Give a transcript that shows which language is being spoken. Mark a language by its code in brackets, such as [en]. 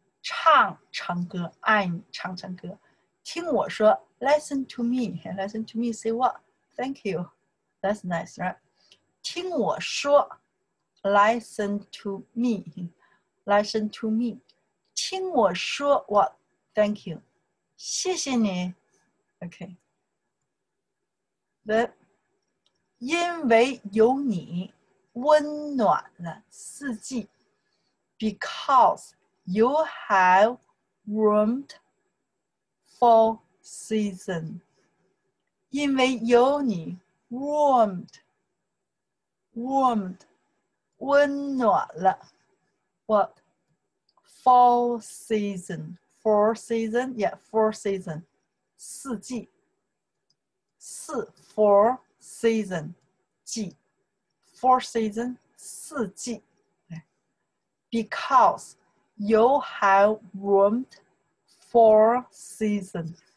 [zh] 唱唱歌，爱你唱唱歌，听我说 [en] ，listen to me，listen to me say what，thank you，that's nice，right？ [zh] 听我说 [en] ，listen to me，listen to me， 听我说 what，thank you， [zh] 谢谢你 [en] ，OK。 [zh] The， 因为有你，温暖了四季 ， [en] because。 You have warmth for season. [zh] 因为有你 [en] warmed, [zh] 温暖了 What? [en] Four season, yeah, four season. [zh] 四季 [en] four season, 季 Four season, 四季 Because,You have warmth for season.